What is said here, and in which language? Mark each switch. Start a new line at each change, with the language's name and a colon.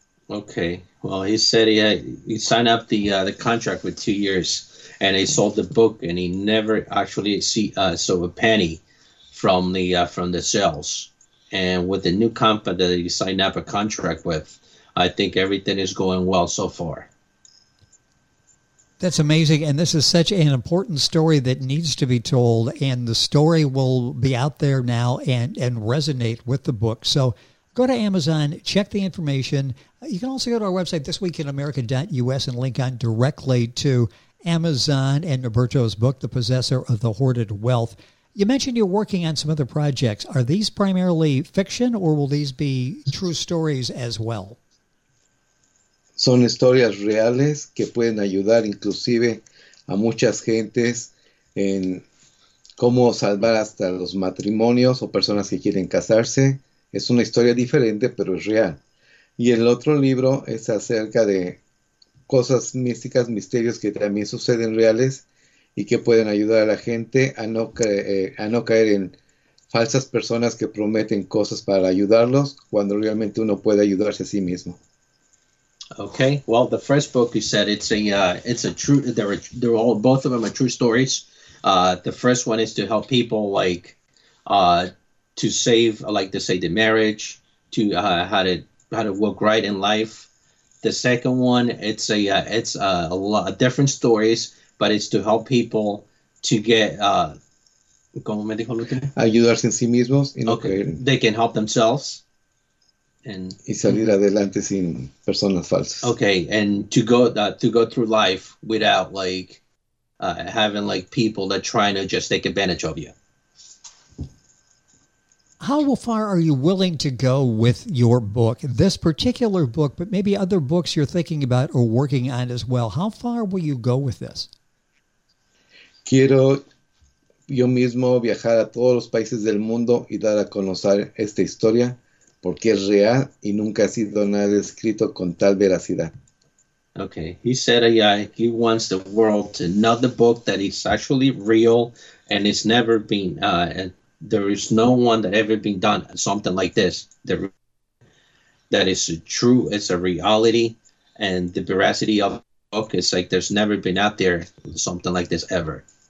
English: Okay, well, he said he signed up the contract with 2 years and he sold the book and he never actually saw a penny from the sales. And with the new company that he signed up a contract with, I think everything is going well so far. That's amazing, and this is such an important story that needs to be told, and the story will be out there now and resonate with the book. So go to Amazon, check the information. You can also go to our website, thisweekinamerica.us, and link on directly to Amazon and Norberto's book, The Possessor of the Hoarded Wealth. You mentioned you're working on some other projects. Are these primarily fiction, or will these be true stories as well?
Spanish: Son historias reales que pueden ayudar inclusive a muchas gentes en cómo salvar hasta los matrimonios o personas que quieren casarse. Es una historia diferente, pero es real. Y el otro libro es acerca de cosas místicas, misterios que también suceden reales y que pueden ayudar a la gente a no caer en falsas personas que prometen cosas para ayudarlos cuando realmente uno puede ayudarse a sí mismo.
English: Okay. Well, the first book you said it's a true. They're all both of them are true stories. The first one is to help people like, to save like to say the marriage to how to work right in life. The second one it's a lot of different stories, but it's to help people to get
Spanish: ¿cómo me dijo Luther? Ayudarse en sí mismos y no
English: Okay,
Spanish: creer
English: they can help themselves and.
Spanish: y salir adelante sin personas falsas.
English: Okay, and to go through life without like having like people that trying to just take advantage of you. How far are you willing to go with your book, this particular book, but maybe other books you're thinking about or working on as well? How far will you go with this?
Spanish: Quiero yo mismo viajar a todos los países del mundo y dar a conocer esta historia porque es real y nunca ha sido nada escrito con tal veracidad.
English: Okay, he said he wants the world to know the book that it's actually real and it's never been there is no one that ever been done something like this. The that is a true, it's a reality and the veracity of the book is like there's never been out there something like this ever.